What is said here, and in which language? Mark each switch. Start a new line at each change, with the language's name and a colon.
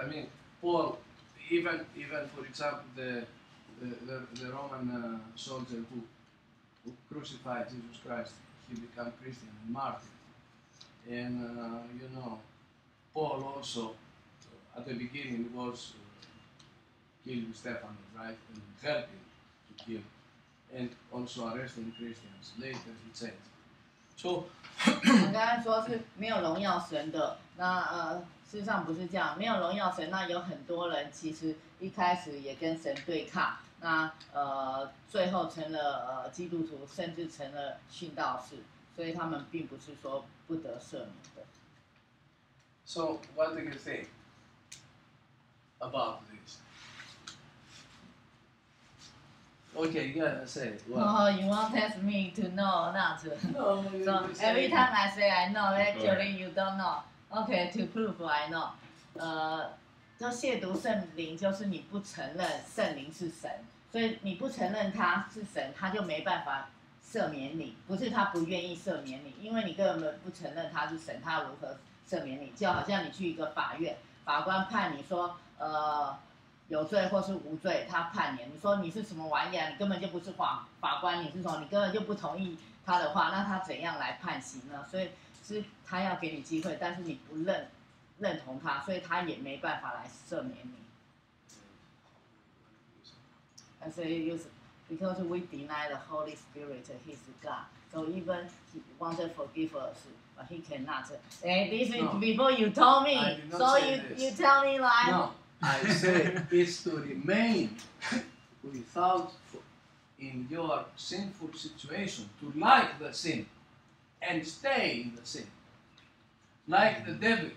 English: I mean, Paul, even for example, the Roman soldier who crucified Jesus Christ, he became Christian and martyr. And, you know, Paul also, at the beginning, was killing Stephanus, right? And helping to kill. and also arresting Christians. Later he said, so.
Chinese: 刚刚说是没有荣耀神的，那事实上不是这样，没有荣耀神，那有很多人其实一开始也跟神对抗，那最后成了基督徒，甚至成了殉道士，所以他们并不是说不得赦免的。
English: So what do you think about this? Okay, you gotta say, well. Oh, you won't test me to know or not to. So every time I say I know, actually you don't know. Okay, to prove I know.
Chinese: 就亵渎圣灵，就是你不承认圣灵是神，所以你不承认他是神，他就没办法赦免你。不是他不愿意赦免你，因为你根本不承认他是神，他如何赦免你？就好像你去一个法院，法官判你说有罪或是无罪，他判你，你说你是什么玩意啊？你根本就不是法官，你是说你根本就不同意他的话，那他怎样来判刑呢？所以是他要给你机会，但是你不认。认同他，所以他也没办法来赦免你。
English: I say because we deny the Holy Spirit, He's God. So even He wants to forgive us, but He cannot. Hey, this is no, before you told me. So you tell me lie. No, I say it's to remain without in your sinful situation, to like the sin and stay in the sin. Like the devil.